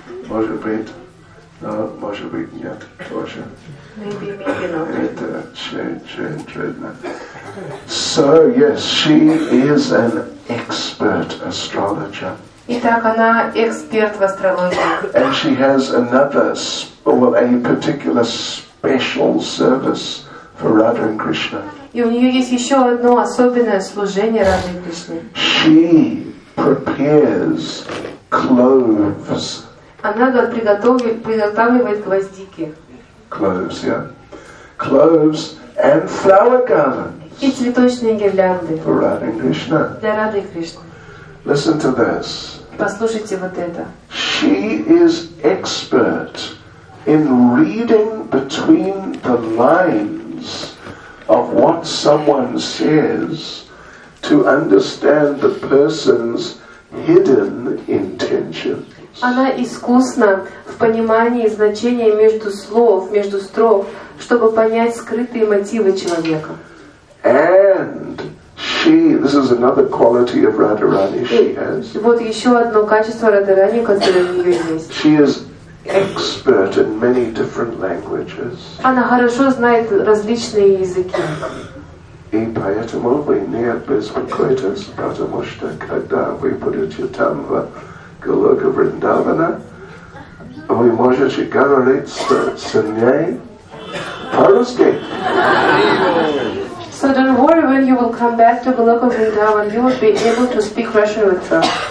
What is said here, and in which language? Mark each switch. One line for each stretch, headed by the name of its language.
Russian: Может быть, но может быть нет тоже.
English: Maybe.
Russian: Это очень трудно.
English: So yes, she is an expert astrologer.
Russian: Итак, она эксперт в астрологии.
English: And she has another, well, a particular special service for Radha and Krishna.
Russian: И у нее есть еще одно особенное служение Радхе Кришне.
English: She prepares cloves.
Russian: Она приготавливает гвоздики.
English: Cloves, yeah. Cloves and flower garlands.
Russian: И цветочные гирлянды.
English: For Radha and Krishna.
Russian: Для Радхе Кришны.
English: Listen to this.
Russian: Послушайте вот это.
English: She is expert in reading between the lines of what someone says to understand the person's hidden intentions.
Russian: Она искусна в понимании значения между слов, между строк, чтобы понять скрытые мотивы человека.
English: And she, this is another quality of Radharani she has.
Russian: Вот еще одно качество Радхарани, которое у нее есть.
English: She is expert in many different languages.
Russian: Она хорошо знает различные языки. И поэтому мы не беспокоимся, потому что когда вы будете там в Голока Вриндавана, вы можете говорить с ней по-русски.
English: So don't worry, when you will come back to Goloka Vrindavan, you will be able to speak Russian with her.